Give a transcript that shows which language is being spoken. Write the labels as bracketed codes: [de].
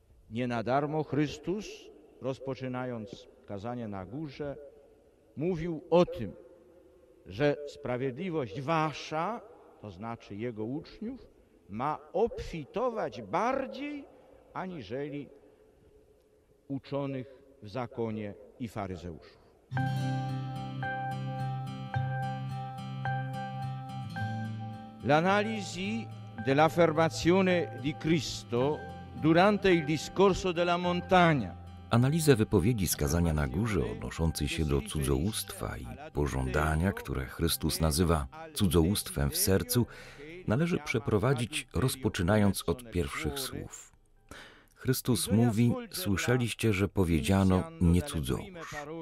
[pl] Nie na darmo Chrystus, rozpoczynając kazanie na górze, mówił o tym, że sprawiedliwość wasza, to znaczy jego uczniów, ma obfitować bardziej, aniżeli uczonych w zakonie i faryzeuszów. [it] L'analisi dell'affermazione di Cristo durante il discorso della montagna. [pl] Analiza wypowiedzi skazania na górze odnoszącej się do cudzołóstwa i pożądania, które Chrystus nazywa cudzołóstwem w sercu, należy przeprowadzić rozpoczynając od pierwszych słów. Chrystus mówi: słyszeliście, że powiedziano, nie cudzołóż.